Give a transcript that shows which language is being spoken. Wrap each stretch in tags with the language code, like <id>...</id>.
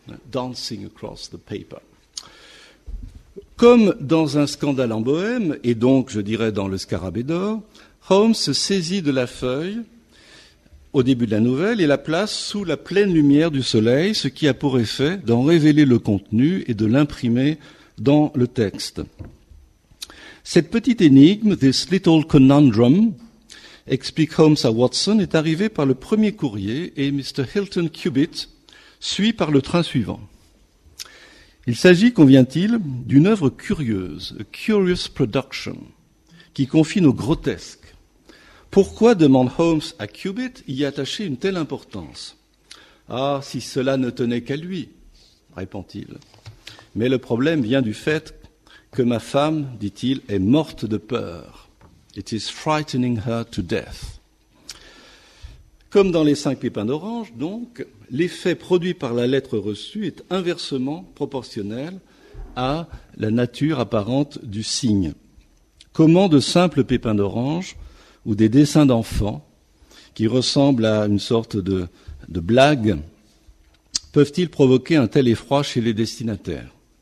<en>Dancing across the paper.</en> <fr>Comme dans un scandale en Bohème, et donc, je dirais, dans le Scarabée d'or, Holmes se saisit de la feuille au début de la nouvelle et la place sous la pleine lumière du soleil, ce qui a pour effet d'en révéler le contenu et de l'imprimer dans le texte. Cette petite énigme,</fr> <en>this little conundrum,</en> <fr>explique Holmes à Watson, est arrivée par le premier courrier et Mr. Hilton Cubitt suit par le train suivant. Il s'agit, convient-il, d'une œuvre curieuse,</fr> <en>a curious production,</en> <fr>qui confine au grotesque. Pourquoi, demande Holmes à Cubitt, y attacher une telle importance? Ah, si cela ne tenait qu'à lui, répond-il. Mais le problème vient du fait que ma femme, dit-il, est morte de peur.</fr> <en>It is frightening her to death.</en> <fr>Comme dans les cinq pépins d'orange, donc, l'effet produit par la lettre reçue est inversement proportionnel à la nature apparente du signe. Comment de simples pépins d'orange ou des dessins d'enfants qui ressemblent à une sorte de blague peuvent-ils provoquer un tel effroi chez les destinataires?</fr>